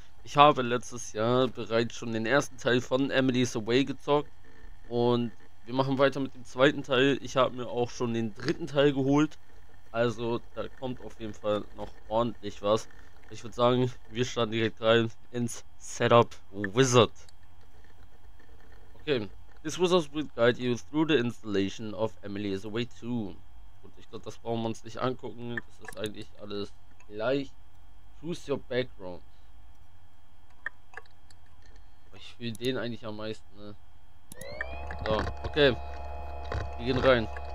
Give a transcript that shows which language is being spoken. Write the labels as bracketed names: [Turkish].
[German] Ich habe letztes Jahr bereits schon den ersten Teil von Emily's Away gezockt und wir machen weiter mit dem zweiten Teil. Ich habe mir auch schon den dritten Teil geholt. Also, da kommt auf jeden Fall noch ordentlich was. Ich würde sagen, wir starten direkt rein ins Setup Wizard. [English] Okay, this wizard will guide you through the installation of Emily's Away 2. [German] Ich glaube, das brauchen wir uns nicht angucken. Das ist eigentlich alles gleich. [English] Choose your background. [German] Ich will den eigentlich am meisten, ne? So, okay. Wir gehen rein.